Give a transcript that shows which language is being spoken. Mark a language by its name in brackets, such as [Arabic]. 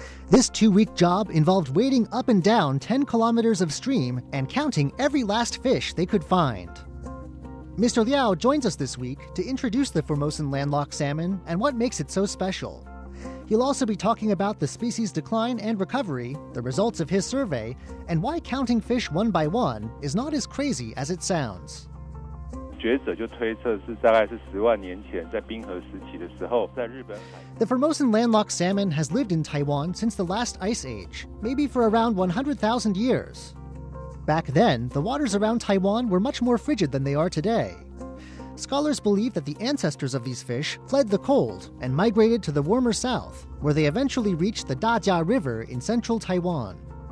[English] This two-week job involved wading up and down 10 kilometers of stream and counting every last fish they could find. Mr. Liao joins us this week to introduce the Formosan landlocked salmon and what makes it so special. He'll also be talking about the species' decline and recovery, the results of his survey, and why counting fish one by one is not as crazy as it sounds. [Chinese] 学者就推测是大概是10万年前在冰河时期的时候，在日本。The [English] Formosan landlocked salmon has lived in Taiwan since the last ice age, maybe for around 100,000 years. Back then, the waters around Taiwan were much more frigid than they are today. Scholars believe that the ancestors of these fish fled the cold and migrated to the warmer south, where they eventually reached the Dajia River in central Taiwan.